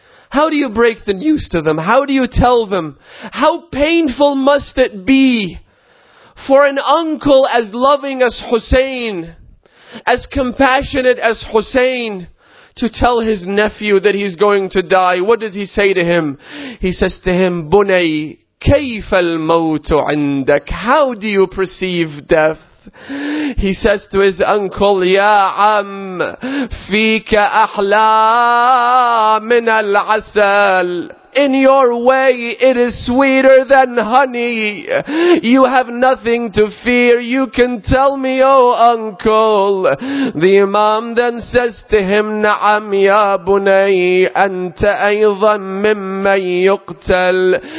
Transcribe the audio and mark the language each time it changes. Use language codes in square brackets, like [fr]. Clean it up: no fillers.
[en] How do you break the news to them? How do you tell them? How painful must it be for an uncle as loving as Hussein, as compassionate as Hussein, to tell his nephew that he's going to die? What does he say to him? He says to him, Bunay, [ar] كيف الموت عندك? [en] How do you perceive death? He says to his uncle, [ar] يا عم فيك أحلى من العسل. [en] In your way, it is sweeter than honey. You have nothing to fear. You can tell me, O uncle. The Imam then says to him, [ar] نعم يا بني أنت أيضا ممن يقتل.